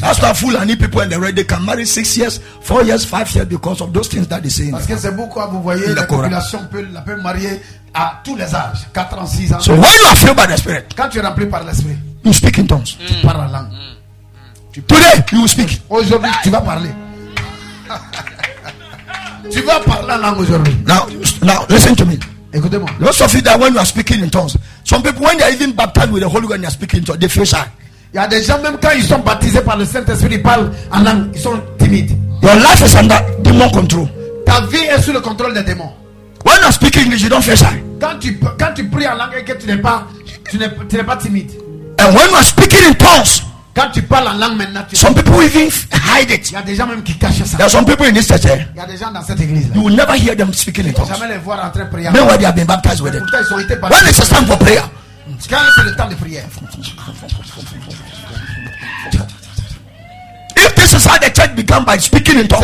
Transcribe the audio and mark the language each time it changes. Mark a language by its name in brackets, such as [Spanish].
[English] That's why fool and people in the red, they can marry 6 years, 4 years, 5 years because of those things that they say. [French] Parce que c'est beaucoup, vous voyez, la population peut marier à tous les âges, 4 ans, 6 ans. [English] So when you are filled by the Spirit, [French] quand tu es rempli par l'Esprit, [English] you speak in tongues. [French] Tu parles en langue. [English] Today, you will speak. [French] Aujourd'hui, tu vas parler. Tu vas parler en langue aujourd'hui. [English] Now, listen to me. [French] Écoutez-moi. [English] Most of you that when you are speaking in tongues, some people when they are even baptized with the Holy Ghost, they are speaking in tongues, they feel shy. [French] Il y a des gens même quand ils sont baptisés par le Saint-Esprit, ils parlent en langue, ils sont timides. [English] Your life is under demon control. [French] Ta vie est sous le contrôle des démons. [English] When you speak English, you don't feel shy. [French] Quand tu pries en langue et que tu n'es pas timide. [English] And when you are speaking in tongues, [French] quand tu parles en langue maintenant, [English] some people even hide it. [French] Il y a des gens même qui cachent ça. [English] There are some people in this church. [French] Il y a des gens dans cette église. [English] You will never hear them speaking in tongues. [French] Jamais les voir entrer prier. Même [English] when they have been baptized with it. [French] Pourtant ils ont été baptisés. [English] When it's the time for prayer. [French] Quand c'est le temps de prière. [English] If this is how the church began by speaking in tongues.